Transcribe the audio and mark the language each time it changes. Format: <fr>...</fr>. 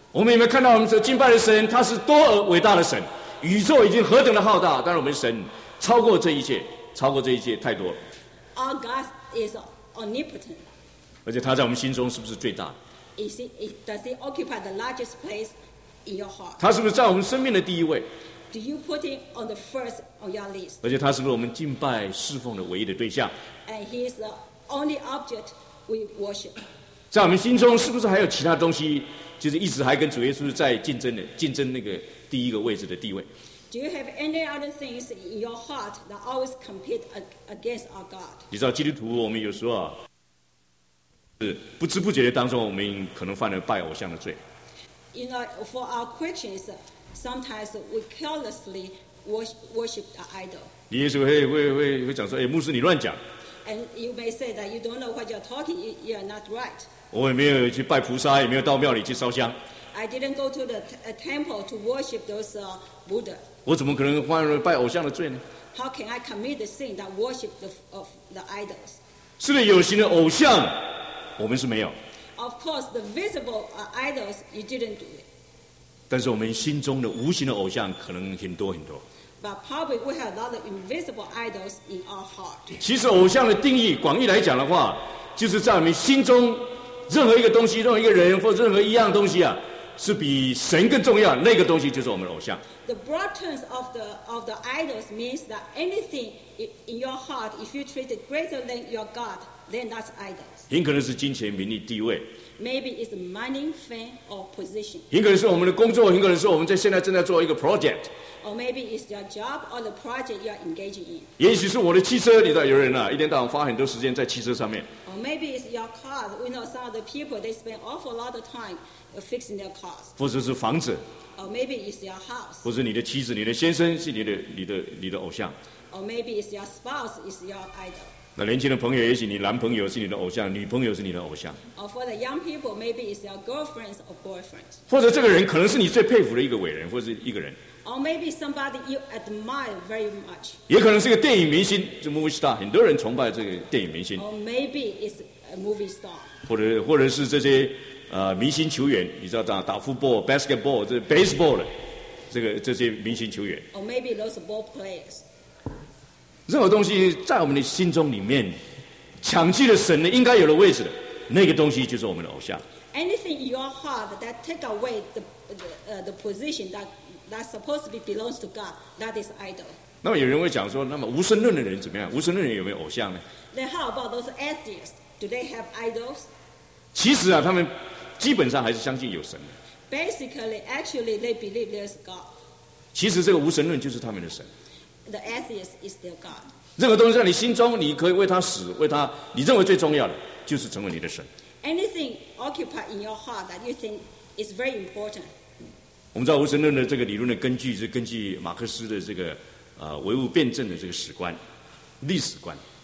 <zh>我们有没有看到我们所敬拜的神，他是多而伟大的神，宇宙已经何等的浩大，但是我们神超过这一切，超过这一切太多了。</zh> <en>Our God is omnipotent.</en> <zh>而且他在我们心中是不是最大的</zh> <en>Does he occupy the largest place in your heart?</en> <zh>他是不是在我们生命的第一位</zh> <en>Do you put him on the first on your list?</en> <zh>而且他是不是我们敬拜侍奉的唯一的对象</zh> <en>And he is the only object we worship.</en> <zh>在我们心中是不是还有其他东西就是一直还跟主耶稣在竞争那个第一个位置的地位</zh> <en>Do you have any other things in your heart that always compete against our God?</en> <zh>你知道基督徒我们有时候啊是不知不觉的当中，我们可能犯了拜偶像的罪。</zh> <en>You know, for our Christians, sometimes we carelessly worship the idol.</en> <zh>你也许会讲说，哎，牧师你乱讲。</zh> <en>And you may say that you don't know what you're talking. You are not right.</en> <zh>我也没有去拜菩萨，也没有到庙里去烧香。</zh> <en>I didn't go to the temple to worship those Buddha.</en> <zh>我怎么可能犯了拜偶像的罪呢</zh> <en>？How can I commit the sin that worship the idols?</en> <zh>是的，有形的偶像。我们是没有。</zh> <en>Of course, the visible idols you didn't do it.</en> <zh>但是我们心中的无形的偶像可能很多很多。</zh> <en>But probably we have a lot of invisible idols in our heart.</en> <zh>其实偶像的定义，广义来讲的话，就是在我们心中任何一个东西、任何一个人或任何一样东西啊，是比神更重要，那个东西就是我们的偶像。</zh> <en>The broad terms of the idols means that anything in your heart, if you treat it greater than your God, then that's idols.</en> <zh>很可能是金钱、名利、地位。</zh> <en>Maybe it's money, fame, or position.</en> <zh>很可能是我们的工作，很可能是我们在现在正在做一个 project.</zh> <en>Or maybe it's your job or the project you are engaging in.</en> <zh>也许是我的汽车，你知道有人啊，一天到晚花很多时间在汽车上面。</zh> <en>Or maybe it's your car. We know some of the people, they spend awful lot of time fixing their cars.</en> <zh>或者是房子。</zh> <en>Or maybe it's your house.</en> <zh>或者你的妻子、你的先生是你的偶像。</zh> <en>Or maybe it's your spouse is your idol.</en> <zh>那年轻的朋友，也许你男朋友是你的偶像，女朋友是你的偶像。</zh> <en>Or for the young people, maybe it's your girlfriends or boyfriends.</en> <zh>或者这个人可能是你最佩服的一个伟人，或者是一个人。</zh> <en>Or maybe somebody you admire very much.</en> <zh>也可能是个电影明星，就 movie star， 很多人崇拜这个电影明星。</zh> <en>Or maybe it's a movie star.</en> <zh>或者是这些。明星球员，你知道打 football、basketball、这 baseball 的，这些明星球员。</zh> <en>Or maybe those ball players。</en> <zh>任何东西在我们的心中里面，抢去了神的应该有的位置的，那个东西就是我们的偶像。</zh> <en>Anything in your heart that take away the position that supposed to be belongs to God, that is idol。</en> <zh>那么有人会讲说，那么无神论的人怎么样？无神论人有没有偶像呢</zh> <en>？Then how about those atheists? Do they have idols?</en> <zh>其实啊，他们基本上还是相信有神的。</zh> <en>Basically, actually, they believe there's God.</en> <zh>其实这个无神论就是他们的神。</zh> <en>The atheist is their God.</en> <zh>任何东西在你心中，你可以为他死，为他你认为最重要的，就是成为你的神。</zh> <en>Anything occupied in your heart that you think is very important.</en> <zh>我们知道无神论的这个理论的根据是根据马克思的这个唯物辩证的这个史观、历史观。</zh>